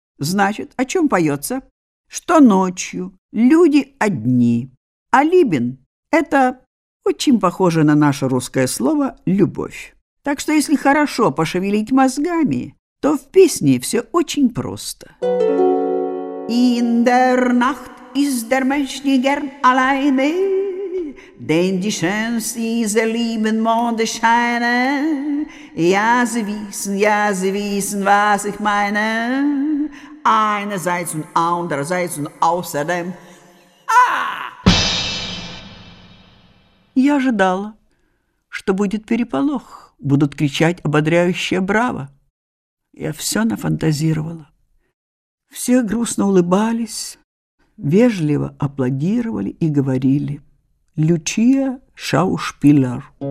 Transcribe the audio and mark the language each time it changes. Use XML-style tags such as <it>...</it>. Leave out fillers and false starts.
<ru>Значит, о чем поется? Что ночью люди одни. А «Liebin» — это очень похоже на наше русское слово «любовь». Так что если хорошо пошевелить мозгами, то в песне все очень просто.</ru> <de>In der Nacht ist der Mensch nie gern alleine, denn die schönste dieser lieben Monde scheine. Ja, sie wissen, was ich meine. Einerseits und andererseits und außerdem.</de> <ru>Я ожидала, что будет переполох, будут кричать ободряющее «Браво!». Я все нафантазировала. Все грустно улыбались, вежливо аплодировали и говорили:</ru> <de>«Lucia Schauspieler».</de>